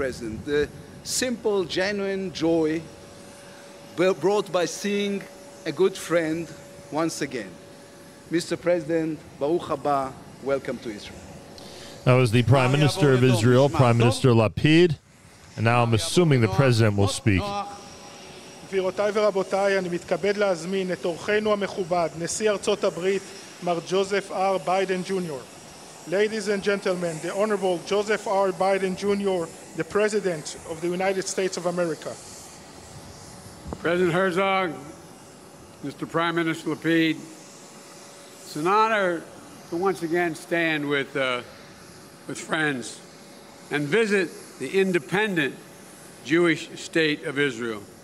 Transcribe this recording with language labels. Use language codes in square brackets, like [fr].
[en] President. The simple, genuine joy brought by seeing a good friend once again. Mr. President, [he] Baruch haba, [en] welcome to Israel. That was the Prime Minister of Israel, Prime Minister Lapid. And now I'm assuming the President will speak. [he] גבירותיי ורבותיי, אני מתכבד להזמין את אורחנו המכובד, נשיא ארצות הברית, מר ג'וזף אר ביידן ג'וניור. [en] Ladies and gentlemen, the Honorable Joseph R. Biden Jr., the President of the United States of America. President Herzog, Mr. Prime Minister Lapid, it's an honor to once again stand with friends and visit the independent Jewish state of Israel.